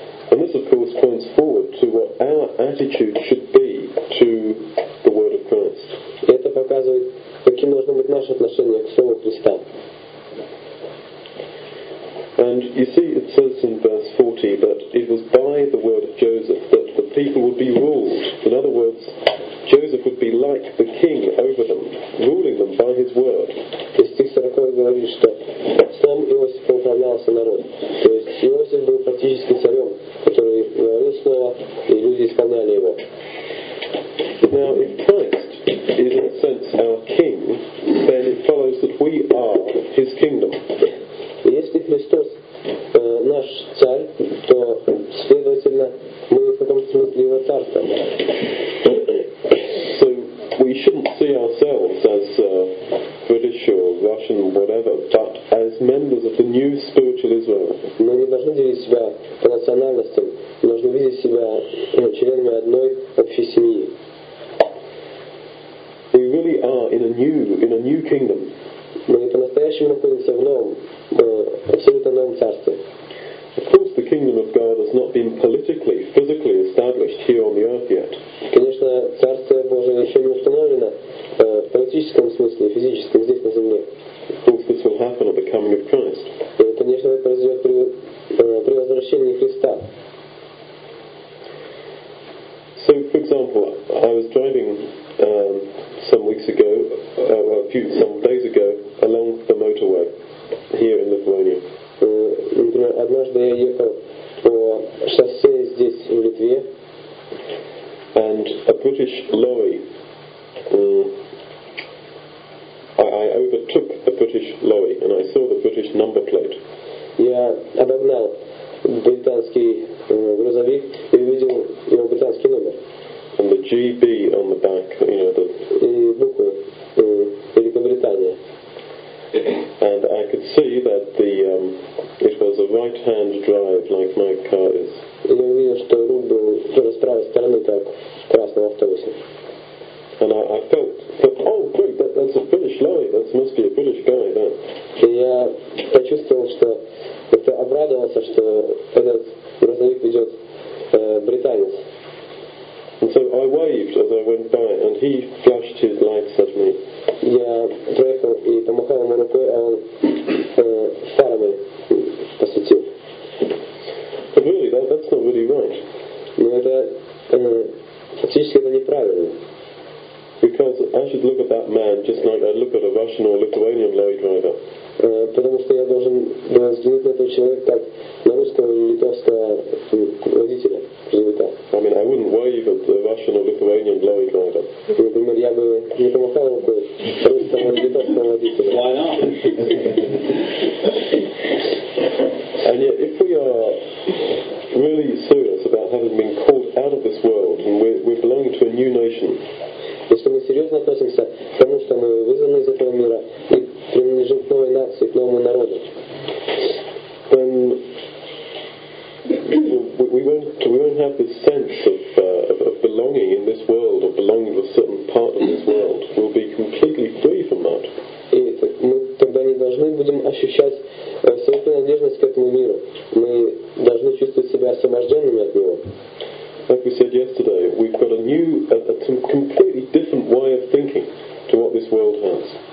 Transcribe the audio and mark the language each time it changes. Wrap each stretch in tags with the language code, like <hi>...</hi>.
<en>And this, of course, points forward to what our attitude should be to the word of Christ.</en> <ru>И это показывает, каким должно быть наше отношение к слову Христа.</ru> <en>And you see, it says in verse 40 that it was by the word of Joseph that the people would be ruled. In other words, Joseph would be like the king over them, ruling them by his word.</en> <ru>И стих 40 говорит, что сам Иосиф управлялся народ. То есть Иосиф был практически царем, который говорил слово, и люди исполняли его.</ru> <en>Now, if Christ is in a sense our king, then it follows that we are his kingdom.</en> <ru>Если Христос наш царь, то, следовательно, мы в каком смысле его царство.</ru> <en>So we shouldn't see ourselves as British or Russian or whatever, but as members of the new spiritual Israel.</en> <ru>Мы не должны делить себя по национальностям, мы должны видеть себя членами одной общей семьи.</ru> <en>We really are in a new kingdom.</en> <ru>Мы по-настоящему находимся в новом, абсолютно новом царстве.</ru> <en>Of course, the kingdom of God has not been politically, physically established here on the earth yet.</en> <ru>Конечно, царство Божие еще не установлено в политическом смысле, физическом здесь на земле.</ru> <en>Of course, this will happen at the coming of Christ.</en> <ru>И, конечно, это произойдет при возвращении Христа.</ru> <en>So, for example, I was driving some days ago, along the motorway here in Lithuania.</en> <ru>Однажды я ехал по шоссе здесь в Литве,</ru> <en>and a British lorry. I overtook a British lorry, and I saw the British number plate.</en> <ru>Я обогнал британский грузовик и увидел его британский номер.</ru> <en>And the GB on the back, you know, the</en> <ru>буквы Великобритания.</ru> <en>And I could see that the it was a right-hand drive, like my car is. Я увидел, что руль был тоже с правой стороны, как красного автобуса. And I felt that, oh, great, that's a British lorry. That must be a British guy, that.</en> <ru>И я почувствовал, что это обрадовался, что этот грузовик идет британец.</ru> <en>And so I waved as I went by, and he flashed his lights at me.</en> <ru>Я проехал и помахал ему рукой, а он фарами посветил.</ru> <en>But really, that's not really right.</en> <ru>Но это фактически это неправильно.</ru> <en>Because I should look at that man just like I'd look at a Russian or Lithuanian lorry driver.</en> <ru>Потому что я должен был взглянуть на этого человека как на русского или литовского водителя.</ru> <en>I mean, I wouldn't wave at the Russian or Lithuanian lorry driver.</en> <ru>Например, я бы не помахал бы русскому или литовскому водителю.</ru> <en>Why not? And yet, if we are really serious about having been called out of this world and we're belonging to a new nation,</en> <ru>если мы серьезно относимся к тому, что мы вызваны из этого мира и принадлежим к новой нации, к новому народу,</ru> <en>then we won't have this sense of belonging in this world or belonging to a certain part of this world. We'll be completely free from that.</en> <ru>И мы тогда не должны будем ощущать свою принадлежность к этому миру. Мы должны чувствовать себя освобожденными от него.</ru> <en>Like we said yesterday, we've got a completely different way of thinking to what this world has.</en>